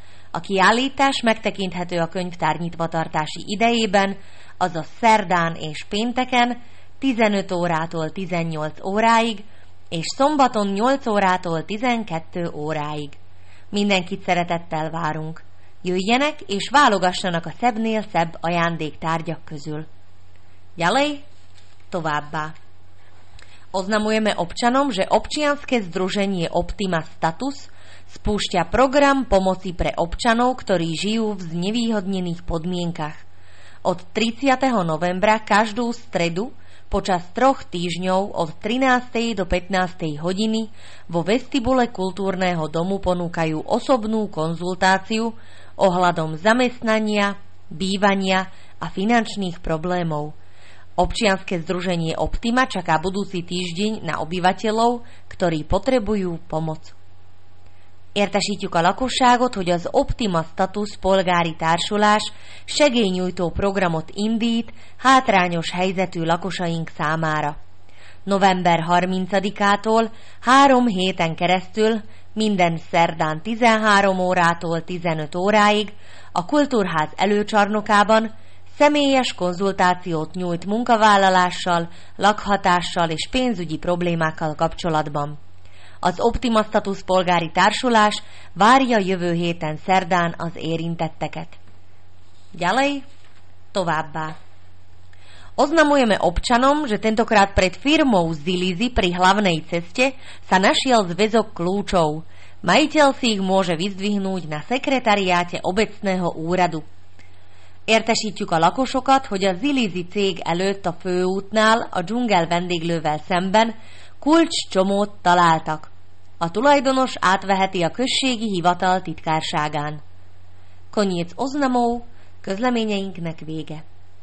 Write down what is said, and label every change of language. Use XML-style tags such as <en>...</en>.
<hu>A kiállítás megtekinthető a könyvtár nyitvatartási idejében, azaz szerdán és pénteken 15 órától 18 óráig és szombaton 8 órától 12 óráig. Mindenkit szeretettel várunk. Jöjjenek és válogassanak a szebbnél szebb ajándéktárgyak közül.</hu> <sk>Ďalej,</sk> <hu>továbbá.</hu> <sk>Oznamujeme občanom, že občianske združenie Optima Status spúšťa program pomoci pre občanov, ktorí žijú v znevýhodnených podmienkach. Od 30. novembra každú stredu počas 3 týždňov od 13. do 15. hodiny vo vestibule kultúrneho domu ponúkajú osobnú konzultáciu ohľadom zamestnania, bývania a finančných problémov. Občianske združenie Optima čaká budúci týždeň na obyvateľov, ktorí potrebujú pomoc.</sk> <hu>Értesítjük a lakosságot, hogy az Optima Status polgári társulás segélynyújtó programot indít hátrányos helyzetű lakosaink számára. November 30-ától 3 héten keresztül minden szerdán 13 órától 15 óráig a Kultúrház előcsarnokában személyes konzultációt nyújt munkavállalással, lakhatással és pénzügyi problémákkal kapcsolatban. Az Optima Status polgári társulás várja jövő héten szerdán az érintetteket.</hu> <sk>Ďalej,</sk> <hu>továbbá.</hu> <sk>Oznamujeme občanom, že tentokrát pred firmou Zilizi pri hlavnej ceste sa našiel zväzok kľúčov. Majiteľ si ich môže vyzdvihnúť na sekretariáte obecného úradu.</sk> <hu>Értesítjük a lakosokat, hogy a Zilizi cég előtt a főútnál a dzsungel vendéglővel szemben kulcscsomót találtak. A tulajdonos átveheti a községi hivatal titkárságán.</hu> <sk>Koniec oznamov,</sk> <hu>közleményeinknek vége.</hu>